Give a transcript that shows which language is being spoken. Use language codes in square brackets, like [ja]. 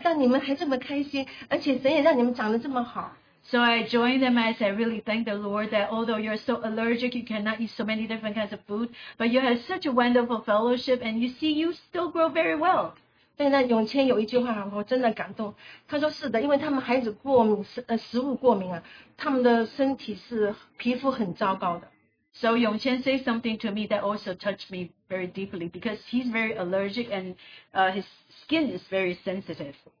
[zh] 对，我也加入进去，我就说，哎呀，感谢主，看到你们两个这么开心，神让你们很多东西不能吃，但你们还这么开心，而且神也让你们长得这么好。 [en] So I joined them. I said, I really thank the Lord that although you're so allergic, you cannot eat so many different kinds of food, but you have such a wonderful fellowship, and you see, you still grow very well. [zh] 对，那永谦有一句话，我真的感动。他说，是的，因为他们孩子过敏，食物过敏啊，他们的身体是皮肤很糟糕的。 [en] So Yongqian says something to me that also touched me very deeply because he's very allergic and his skin is very sensitive.